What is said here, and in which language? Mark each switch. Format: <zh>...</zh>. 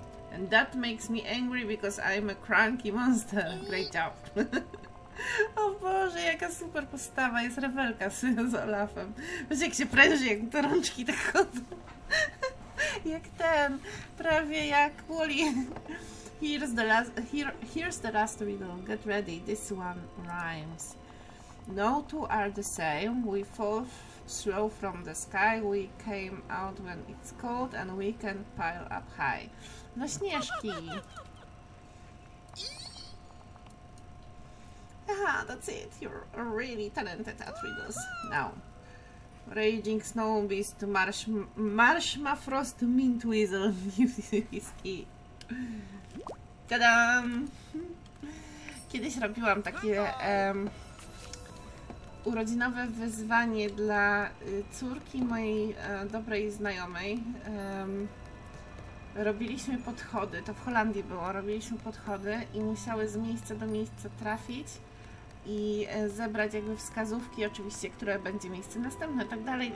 <en>And that makes me angry because I'm a cranky monster. Great job.</en> <pl>O Boże, jaka super postawa, jest rewelka z Olafem. Wiesz, jak się pręży, jak te rączki tak chodzą. Jak ten, prawie jak Woli.</pl> <en>Here's the last riddle, get ready, this one rhymes. No two are the same, we fall slow from the sky, we came out when it's cold and we can pile up high. No śnieżki. Aha, that's it. You're really talented at riddles. Now, raging snow beast to Marshmafrost Mintweasel gives his key. Ta-dam!</en> <pl>Kiedyś robiłam takie urodzinowe wyzwanie dla córki mojej dobrej znajomej. Robiliśmy podchody, to w Holandii było, robiliśmy podchody i musiały z miejsca do miejsca trafić i zebrać jakby wskazówki, oczywiście, które będzie miejsce następne i tak dalej.</pl>